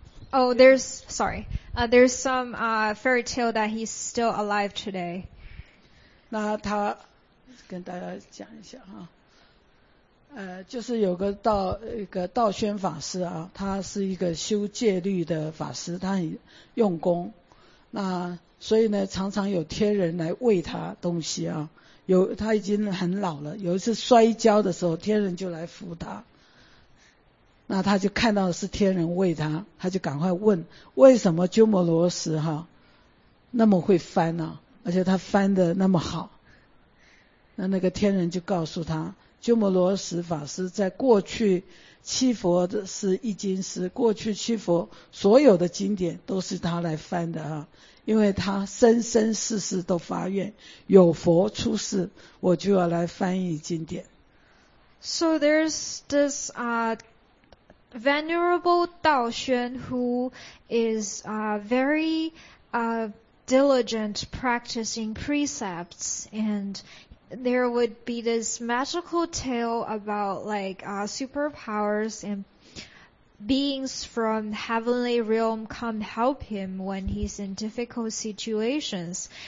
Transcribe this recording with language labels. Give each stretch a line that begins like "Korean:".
English: There's some fairy tale that he's still alive today.
Chinese: 那他跟大家讲一下哈，就是有个道宣法师啊，他是一个修戒律的法师，他很用功，那所以呢，常常有天人来喂他东西啊。有他已经很老了，有一次摔跤的时候，天人就来扶他。那他就看到的是天人喂他，他就赶快问为什么鸠摩罗什哈那么会翻呢、啊？而且他翻得那么好，那个天人就告诉他，鸠摩罗什法师在过去七佛的是一经师，过去七佛所有的经典都是他来翻的啊，因为他生生世世都发愿，有佛出世，我就要来翻译经典。
English: So there's this Venerable Dao Xuan, who is very diligent practicing precepts, and there would be this magical tale about like superpowers and beings from heavenly realm come help him when he's in difficult situations.